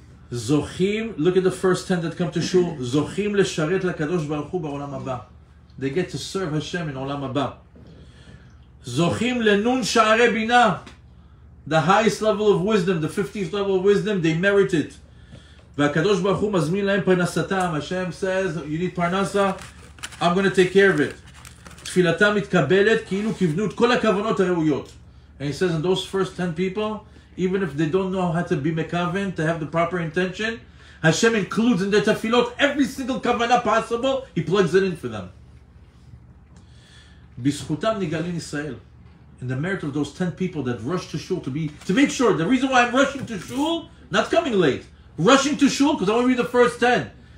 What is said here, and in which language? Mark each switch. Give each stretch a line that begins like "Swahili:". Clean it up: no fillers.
English: Zochim, look at the first 10 that come to shul.
Hebrew: Zochim lesharet lakadosh baruch hu ba'olam haba.
English: They get to serve Hashem in olam haba.
Hebrew: Zochim lenun sha'are bina.
English: The highest level of wisdom, the 15th level of wisdom, they merit it.
Hebrew: והקדוש ברוך הוא מזמין להם פרנסתם.
English: Hashem says, you need parnasa, I'm going to take care of it.
Hebrew: תפילתם מתקבלת כאילו כיוונו את כל הכוונות הראויות.
English: And he says, and those first 10 people, even if they don't know how to be mekaven, to have the proper intention, Hashem includes in their tefillot every single kavana possible, he plugs it in for them.
Hebrew: בזכותם נגלין ישראל.
English: And the merit of those 10 people that rush to shul to make sure, the reason why I'm rushing to shul, not coming late, rushing to shul because I want to be the first 10.